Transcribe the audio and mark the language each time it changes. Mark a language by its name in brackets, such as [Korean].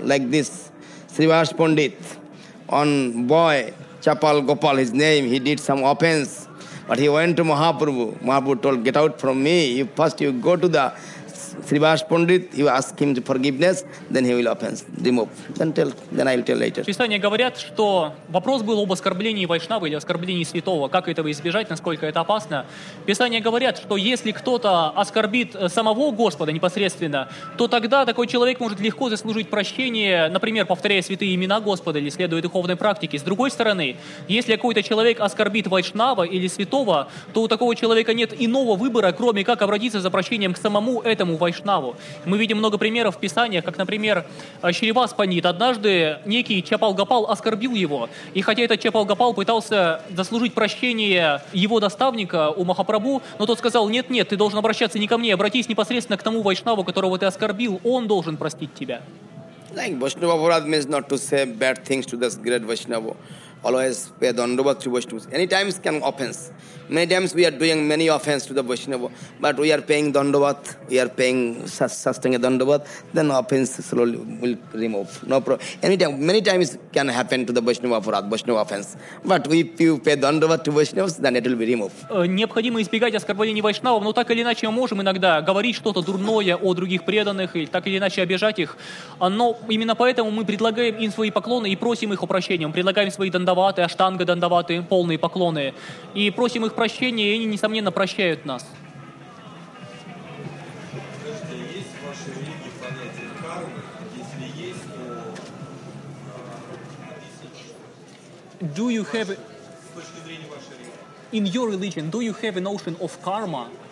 [English] Like this, Srivas Pandit, on boy, Chapal Gopal, his name, he did some offense. But he went to Mahaprabhu. Mahaprabhu told, get out from me. You go to the Srivas Pandit, you ask him to forgiveness, then he will offense, remove. Then I'll tell later. [Russian] Писания говорят, что вопрос был об оскорблении Вайшнавы или оскорблении святого. Как этого избежать, насколько это опасно? Писания говорят, что если кто-то оскорбит самого Господа непосредственно, то тогда такой человек может легко заслужить прощение, например, повторяя святые имена Господа или следуя духовной практике. С другой стороны, если какой-то человек оскорбит Вайшнава или святого, то у такого человека нет иного выбора, кроме как обратиться за прощением к самому этому Вайшнаву. Мы видим много примеров в Писаниях, как, например, Шривас Пандит. Однажды некий Чапал-Гопал оскорбил его. И хотя этот Чапал-Гопал пытался заслужить прощение его наставника у Махапрабху, но тот сказал, нет-нет, ты должен обращаться не ко мне, обратись непосредственно к тому Вайшнаву, которого ты оскорбил. Он должен простить тебя. [English] Like Vaishnava Aparad means not to say bad things to this great Vaishnava. Always pay the dandavat to Vaishnava. Any times can offense. Many times we are doing many offense to the Vaishnava, but we are paying dandavat, we are paying sustaining a dandavat, then offense slowly will remove. No problem. Many times can happen to the Vaishnava Aparad, Vaishnava offense. But if you pay dandavat to Vaishnava, then it will be removed. [Russian] Необходимо избегать оскорбления Вайшнава, но так или иначе мы можем иногда говорить что-то дурное о других преданных или так или иначе обижать их. Но именно поэтому мы предлагаем им свои поклоны и просим их о прощении. Мы предлагаем свои дандаваты, аштанга дандаваты, полные поклоны. И просим их прощения, и они, несомненно, прощают нас. Скажите, есть в вашей религии понятие кармы? Если есть, то... [English] Do you have... [Russian] С точки зрения вашей религии. [English] In your religion, do you have a notion of karma?